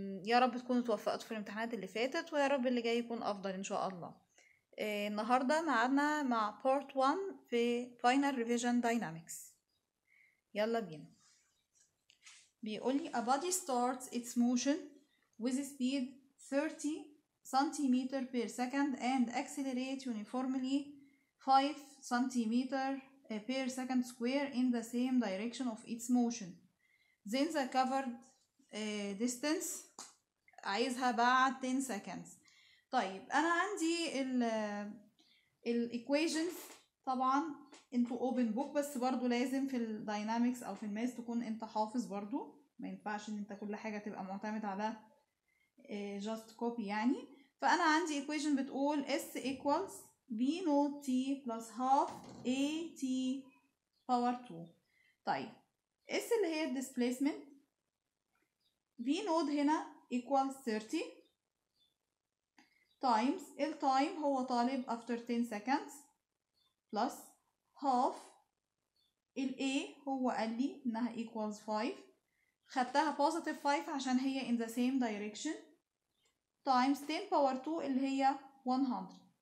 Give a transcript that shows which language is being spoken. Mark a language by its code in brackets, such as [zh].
[ar] يا رب تكونوا توفقتوا في الامتحانات اللي فاتت، ويا رب اللي جاي يكون أفضل إن شاء الله. النهاردة معنا مع بورت 1 في Final Revision Dynamics، يلا بينا. بيقولي [en] A body starts its motion with speed 30 centimeter per second and accelerate uniformly 5 centimeter per second square in the same direction of its motion. Then the covered distance [ar] عايزها بعد [en] 10 seconds. [ar] طيب انا عندي الـ equations طبعا [en] into open book، [ar] بس برضو لازم في الداينامكس او في الماس تكون انت حافظ برضو، ما ينفعش ان انت كل حاجة تبقى معتمد على [en] just copy [ar] يعني. فانا عندي [en] equation [ar] بتقول [en] S equals V naught T plus half A T power 2. طيب S [ar] اللي هي [en] displacement، V naught هنا equals 30 times ال time [ar] هو طالب [en] after 10 seconds plus half ال A [ar] هو قال لي انها [en] equals 5، [ar] خدتها [en] positive 5 [ar] عشان هي [en] in the same direction، times 10 power 2 اللي هي 100.